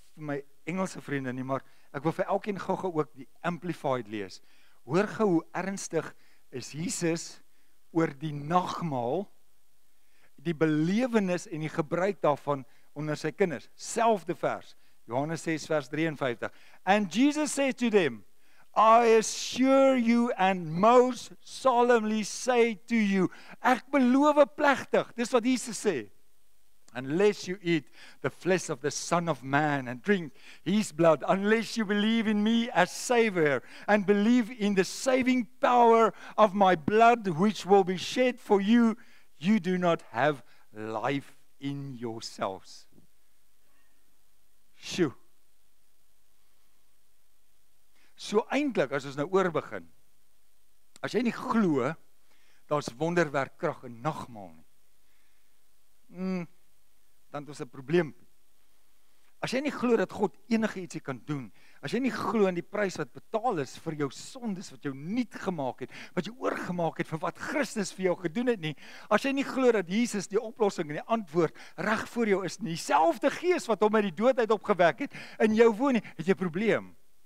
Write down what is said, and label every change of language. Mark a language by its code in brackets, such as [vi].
[af] vir my Engelse vriende nie, maar ek wil vir elkeen gou-gou ook die Amplified lees. Hoor gou hoe ernstig is Jesus oor die nagmaal, die belewenis en die gebruik daarvan onder sy kinders. Selfde vers, Johannes 6 vers 53. [en] And Jesus said to them, I assure you and most solemnly say to you, [af] ek beloof plegtig, dis wat Jesus sê, [en] unless you eat the flesh of the Son of Man and drink His blood, unless you believe in me as Savior and believe in the saving power of my blood which will be shed for you, you do not have life in yourselves. Shoo. [af] So eindelijk, as ons nou oor begin, as jy nie glo, daar's wonderwerk krag in nagmaal nie, dan het ons 'n probleem. As jy nie glo dat God enige ietsie kan doen, as jy nie glo in die prys wat betaal is vir jou sondes, wat jou niet gemaak het, wat jy oorgemaak het vir wat Christus vir jou gedoen het nie, as jy nie glo dat Jesus die oplossing en die antwoord reg voor jou is nie, dieselfde gees wat hom uit die dood uit opgewek het, in jou woon nie, het jy 'n probleem.